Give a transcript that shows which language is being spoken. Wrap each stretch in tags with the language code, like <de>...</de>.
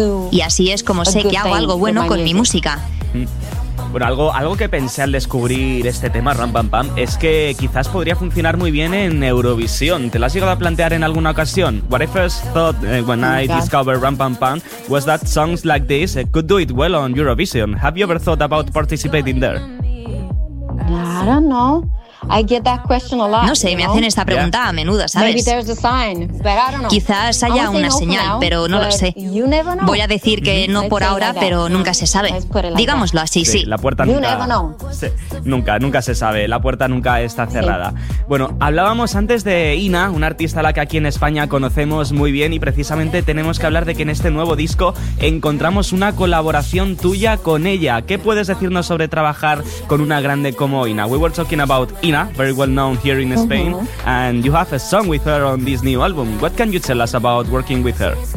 <es>Y así es como sé que hago algo bueno con mi música. Bueno, algo que pensé al descubrir este tema, Ram Pam Pam, es que quizás podría funcionar muy bien en Eurovisión. ¿Te lo has llegado a plantear en alguna ocasión?</es> <en>What I first thought when I discovered Ram Pam Pam was that songs like this could do it well on Eurovision. Have you ever thought about participating there? I don't know. I get that question a lot,</en> <es>no sé, me hacen esta pregunta a menudo, ¿sabes?</es> <en>Maybe there's a sign, but I don't know.</en> <es>Quizás haya una señal, pero no lo sé.</es> <en>You never know.</en> <es>Voy a decir que no por ahora,</es> <en>like</en> <es>pero</es> <en>that.</en> <es>Nunca se sabe.</es> <en>Like</en> <es>digámoslo</es> <en>that.</en> <es>Así, sí. La puerta nunca...</es> <en>You never know.</en> <es>Sí. Nunca se sabe. La puerta nunca está cerrada. Sí. Bueno, hablábamos antes de Ina, una artista a la que aquí en España conocemos muy bien y precisamente tenemos que hablar de que en este nuevo disco encontramos una colaboración tuya con ella. ¿Qué puedes decirnos sobre trabajar con una grande como Ina?</es> <en>We were talking about Ina, very well known here in Spain, and you have a song with her on this new album. What can you tell us about working with her?</en>